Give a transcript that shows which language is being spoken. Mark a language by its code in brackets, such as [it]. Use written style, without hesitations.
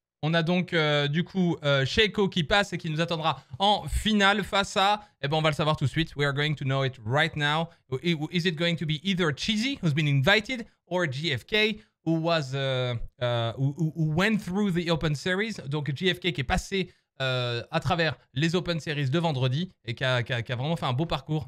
[fr] On a donc du coup Sheiko qui passe et qui nous attendra en finale face à... Eh ben, on va le savoir tout de suite. [en] We are going to know it right now. Is it going to be either Cheezzy, who's been invited, or JFK, who was who went through the Open Series. [fr] Donc JFK qui est passé à travers les Open Series de vendredi et qui a vraiment fait un beau parcours.